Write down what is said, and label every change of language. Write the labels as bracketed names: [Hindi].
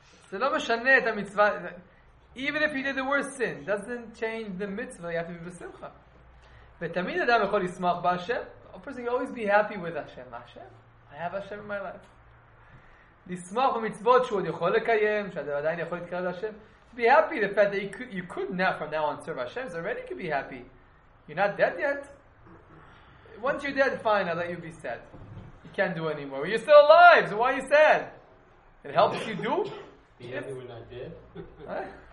[Hebrew] So lo mashaneh et ha-mitzvah. [English] Even if you did the worst sin, doesn't change the mitzvah. You have to be besimcha. [Hebrew] Ve'tamid adam yechol yismach ba'Hashem. [English] A person can always be happy with Hashem. Hashem, I have Hashem in my life. [Hebrew] לסמוך במצוות שהוא עוד יכול לקיים, שאתה עדיין יכול להתקרב להשם. [English] Be happy, the fact that you could not from now on serve Hashem, so already you could be happy. You're not dead yet. Once you're dead, fine, I'll let you be sad. You can't do anymore. You're still alive, so why are you sad? It helps you do? Be happy when you're not dead? Huh?